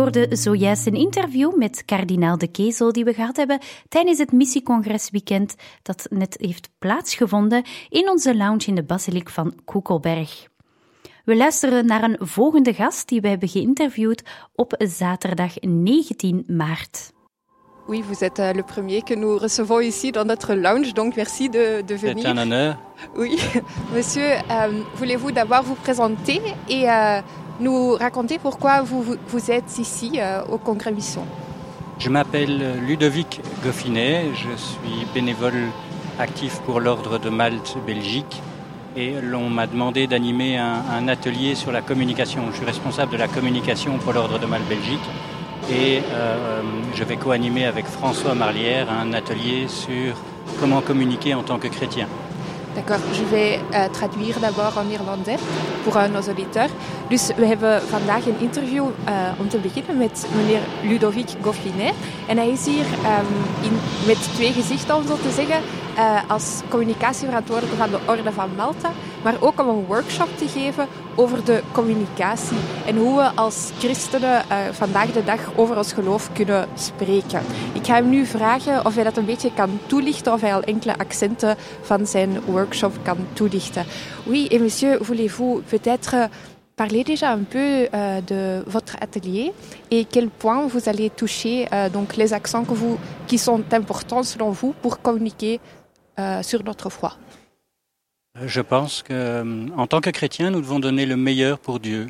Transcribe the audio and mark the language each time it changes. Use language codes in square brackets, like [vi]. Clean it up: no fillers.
[nl] Zojuist een interview met kardinaal De Kezel die we gehad hebben tijdens het missiecongresweekend dat net heeft plaatsgevonden in onze lounge in de basiliek van Koekelberg. We luisteren naar een volgende gast die we hebben geïnterviewd op zaterdag 19 maart. [fr] Oui, vous êtes le premier que nous recevons ici dans notre lounge, donc merci de venir. C'est un honneur. Oui, monsieur, voulez-vous d'abord vous présenter et nous raconter pourquoi vous êtes ici au Congrès Mission. Je m'appelle Ludovic Goffinet, je suis bénévole actif pour l'Ordre de Malte Belgique et l'on m'a demandé d'animer un atelier sur la communication. Je suis responsable de la communication pour l'Ordre de Malte Belgique et je vais co-animer avec François Marlière un atelier sur comment communiquer en tant que chrétien. D'accord, je vais traduire d'abord en irlandais pour nos auditeurs. [nl] Dus we hebben vandaag een interview om te beginnen met meneer Ludovic Goffinet. En hij is hier met twee gezichten, om zo te zeggen, als communicatieverantwoordelijke van de Orde van Malta, maar ook om een workshop te geven over de communicatie en hoe we als christenen vandaag de dag over ons geloof kunnen spreken. Ik ga hem nu vragen of hij dat een beetje kan toelichten, of hij al enkele accenten van zijn workshop kan toelichten. [fr] Oui, et monsieur, voulez-vous peut-être parler déjà un peu de votre atelier et quel point vous allez toucher donc les accents que vous, qui sont importants selon vous pour communiquer sur notre foi. Je pense que, en tant que chrétien, nous devons donner le meilleur pour Dieu.